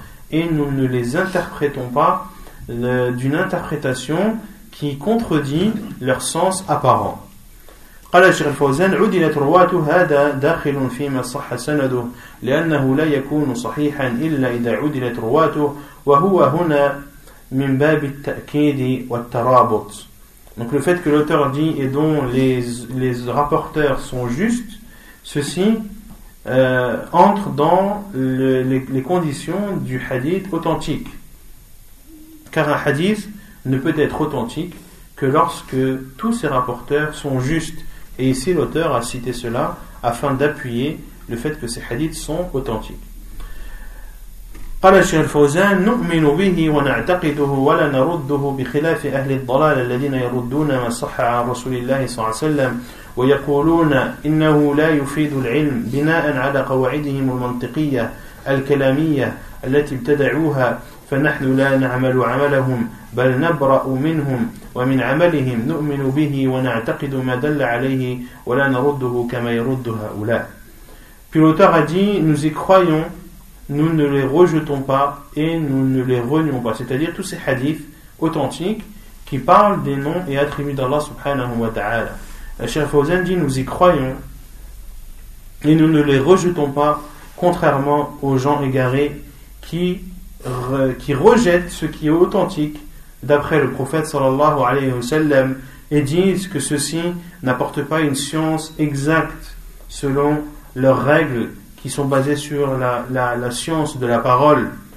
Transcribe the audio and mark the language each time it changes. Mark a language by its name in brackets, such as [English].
[French] Et nous ne les interprétons pas d'une interprétation qui contredit leur sens apparent. [Arabic] قال الشيخ الفوزان عدلت رواته هذا داخل فيما صح سنده لأنه لا يكون صحيحا إلا إذا عدلت رواته وهو هنا من باب التأكيد والترابط. [French] Donc le fait que l'auteur dit et dont les rapporteurs sont justes, ceci entre dans les conditions du hadith authentique. Car un hadith ne peut être authentique que lorsque tous ses rapporteurs sont justes. Et ici, l'auteur a cité cela afin d'appuyer le fait que ces hadiths sont authentiques. [Arabic] قال الشيخ الفوزان نؤمن به ونعتقده ولا نرده بخلاف أهل الضلال الذين يردون ما صح عن رسول الله صلى الله عليه وسلم ويقولون إنه لا يفيد العلم بناء على قواعدهم المنطقية الكلامية التي ابتدعوها فنحن لا نعمل عملهم بل نبرأ منهم ومن عملهم نؤمن به ونعتقد ما دل عليه ولا نرده كما يرد هؤلاء. [French] Puis l'auteur a dit, nous y croyons, nous ne les rejetons pas et nous ne les renions pas. C'est-à-dire tous ces hadiths authentiques qui parlent des noms et attributs d'Allah subhanahu wa ta'ala. Cheikh Fawzan dit, nous y croyons et nous ne les rejetons pas, contrairement aux gens égarés qui rejettent ce qui est authentique d'après le prophète sallallahu alayhi wa sallam et disent que ceci n'apporte pas une science exacte selon leurs règles qui sont basées sur la science de la parole,